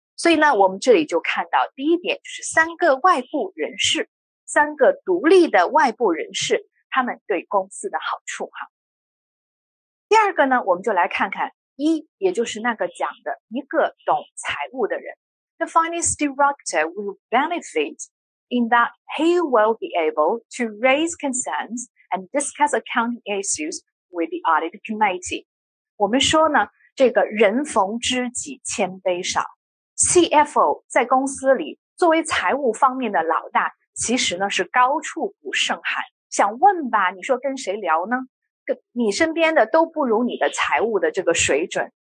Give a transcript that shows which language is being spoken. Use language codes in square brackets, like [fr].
[zh] 所以呢我们这里就看到第一点，就是三个外部人士，三个独立的外部人士，他们对公司的好处哈。第二个呢，我们就来看看一，也就是那个讲的一个懂财务的人。 [en] The finance director will benefitin that he will be able to raise concerns and discuss accounting issues with the audit committee. [zh] 我们说呢，这个人逢知己千杯少。 CFO 在公司里作为财务方面的老大，其实呢是高处不胜寒。想问吧，你说跟谁聊呢？跟你身边的都不如你的财务的这个水准。